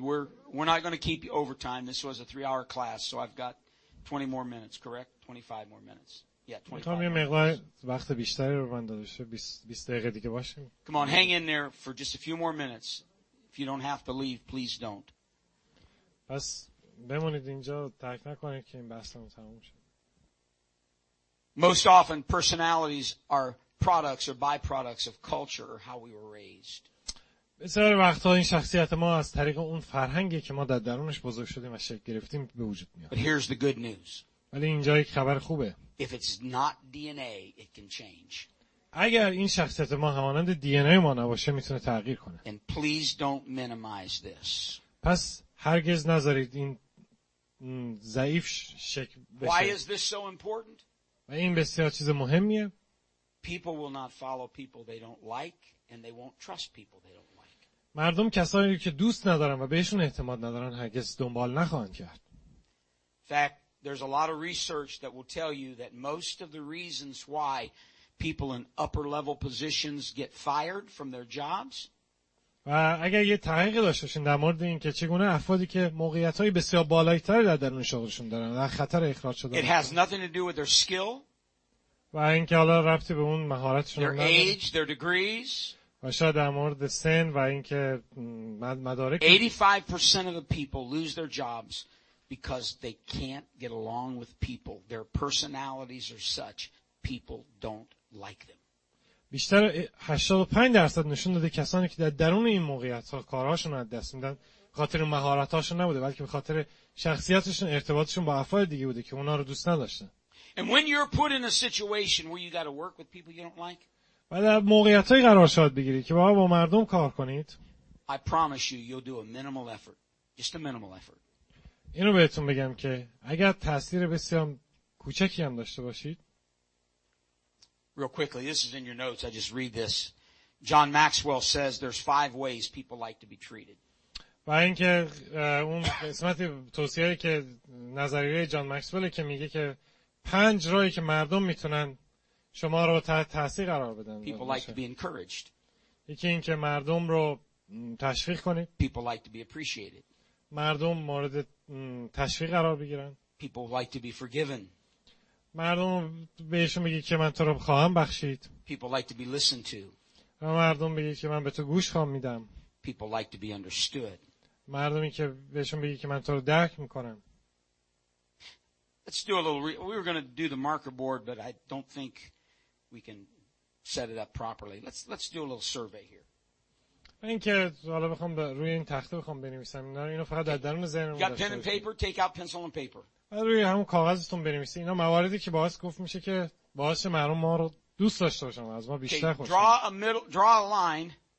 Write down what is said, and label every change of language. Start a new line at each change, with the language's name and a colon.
English: We're not going to keep you over time. This was a 3-hour class, so I've got 20 more minutes, correct? 25 more minutes. Yeah, 25 more minutes. Come on, hang in there for just a few more minutes. If you don't have to leave, please don't.
Persian: پس بمونید اینجا ترک نکنید که این بحثمون تموم شه.
English: Most often personalities are products or byproducts of culture or how we were raised.
Persian: بسیار وقتا این شخصیت ما از طریق اون فرهنگی که ما در درونش بزرگ شدیم و شکل گرفتیم به وجود میاد.
English: But here's the good news.
Persian: ولی اینجا یک خبر خوبه.
English: If it's not DNA, it can change.
Persian: اگر این شخصیت ما همانند دی ان ای ما نباشه میتونه تغییر کنه.
English: And please don't minimize this.
Persian: پس هرگز نذارید این ضعیف شکل بشه.
English: Why is this so important?
Persian: و این بسیار چیز مهمیه.
English: People will not follow people they don't like and they won't trust people they don't like.
Persian: مردم کسانی که دوست ندارن و بهشون اعتماد ندارن هرگز دنبال نخواهند کرد.
English: In fact, there's a lot of research that will tell you that most of the reasons why people in upper level positions get fired from their jobs.
Persian: و اگر یه تحقیق داشته باشین در مورد این که چگونه افرادی که موقعیت‌های بسیار بالایی تر در درون شغلشون دارن در خطر اخراج شدن.
English: It has nothing to do with their skill.
Persian: و اینکه حالا ربطی به اون مهارتشون نداره.
English: Their age, their degrees.
Persian: و شاید در مورد سن و اینکه مدارک.
English: 85% of the people lose their jobs because they can't get along with people. Their personalities are such people don't like them.
Persian: بیشتر 85% نشون داده کسانی که در درون این موقعیت ها کارهاشون رو دست میدن خاطر مهارت هاشون نبوده بلکه به خاطر شخصیتشون ارتباطشون با افراد دیگه بوده که اونا رو دوست نداشتن.
English: And when you're put in a situation where you got to work with people you don't like.
Persian: و در موقعیت های قرار شاد بگیرید که با مردم کار کنید.
English: I promise you you'll do a minimal effort. Just a minimal effort.
Persian: اینو بهتون بگم که اگر تاثیر بسیار کوچکی هم داشته باشید.
English: Real quickly, this is in your notes. I just read this. John Maxwell says there's 5 ways people like to be treated.
Persian: و اینکه اون قسمت توصیه‌ای که نظریه جان ماکسول که میگه که 5 راهی که مردم میتونن شما رو تحت تاثیر قرار بدن.
English: People like to be encouraged.
Persian: یکی اینکه مردم رو تشویق کنید.
English: People like to be appreciated.
Persian: مردم مورد تشویق قرار بگیرن.
English: People like to be forgiven.
Persian: مردم بهشون میگی که من تو رو خواهم بخشید.
English: People like to be listened to.
Persian: و مردم میگی که من به تو گوش خواهم میدم.
English: People like to be understood.
Persian: مردمی که بهشون میگی که من تو رو درک میکنم.
English: Let's do a little. We were going to do the marker board, but I don't think we can set it up properly. Let's do a little survey here.
Persian: من که حالا بخوام روی این تخته بخوام بنویسم. اینو فقط در درون ذهنم.
English: Got pen and paper? Take out pencil and paper.
Persian: روی همون کاغذتون بنویسید. اینا مواردی که باعث گفت میشه که باعث مردم ما رو دوست داشته باشن از ما بیشتر خوش.
English: Draw a line.